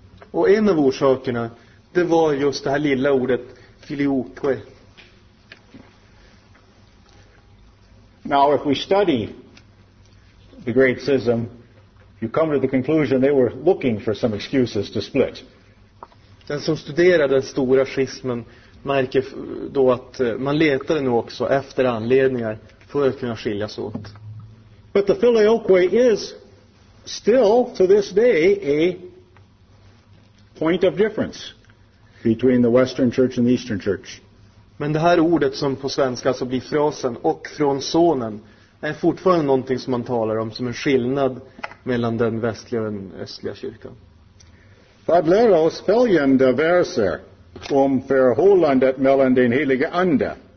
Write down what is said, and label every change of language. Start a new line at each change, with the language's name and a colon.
Swedish: Och en av orsakerna, det var just det här lilla ordet filioque.
English: Now if we study the Great Schism, you come to the conclusion they were looking for some excuses to split.
Swedish: Den som studerar den stora schismen märker då att man letade nu också efter anledningar för att kunna skiljas åt.
English: But the filioque is still to this day a point of difference between the Western Church and the Eastern Church.
Swedish: Men det här ordet som på svenska alltså blir frasen och från sonen är fortfarande någonting som man talar om som en skillnad mellan den västliga och den östliga kyrkan. Vad lär oss följande verser om förhållandet mellan den heliga ande